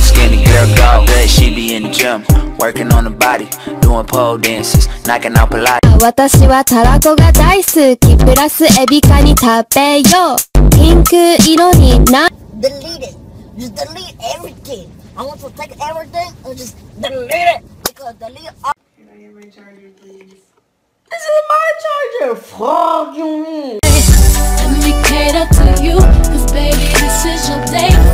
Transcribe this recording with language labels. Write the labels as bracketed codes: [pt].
[en] Skinny girl, go, but she be in the gym, working on the body, doing pole dances, knocking out Pilates. [ja] 私はタラコが大好き、プラスエビカニ食べよう。ピンク色にな。 [en] Delete it. Just delete everything. I want to take everything and just delete it. Because delete all. Can I get my charger, please? This is my charger. Fuck you mean. Let me cater to you, cause baby, this is your day.